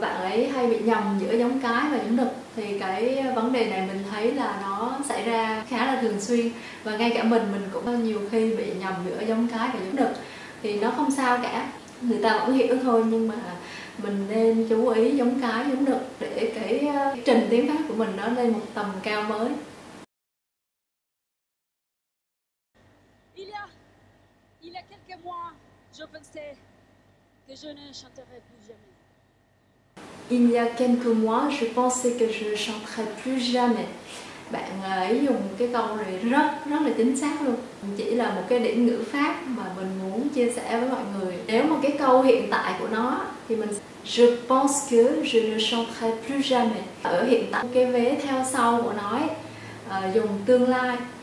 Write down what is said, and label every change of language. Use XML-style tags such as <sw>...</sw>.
<vi>Bạn ấy hay bị nhầm giữa giống cái và giống đực, thì cái vấn đề này mình thấy là nó xảy ra khá là thường xuyên, và ngay cả mình cũng nhiều khi bị nhầm giữa giống cái và giống đực. Thì nó không sao cả, người ta vẫn hiểu thôi, nhưng mà mình nên chú ý giống cái giống đực để cái trình tiếng Pháp của mình nó lên một tầm cao mới.</vi> <fr>Il y a quelques mois, je pensais que je ne chanterai plus jamais. Il y a quelques mois, je pensais que je ne chanterai plus jamais.</fr> <vi>Bạn ấy dùng cái câu này rất rất là chính xác luôn. Chỉ là một cái điểm ngữ pháp mà mình muốn chia sẻ với mọi người. Nếu mà cái câu hiện tại của nó thì mình</vi> <fr>je pense que je ne chanterai plus jamais.</fr> <vi>Ở hiện tại, cái vế theo sau của nó ấy, dùng tương lai.</vi>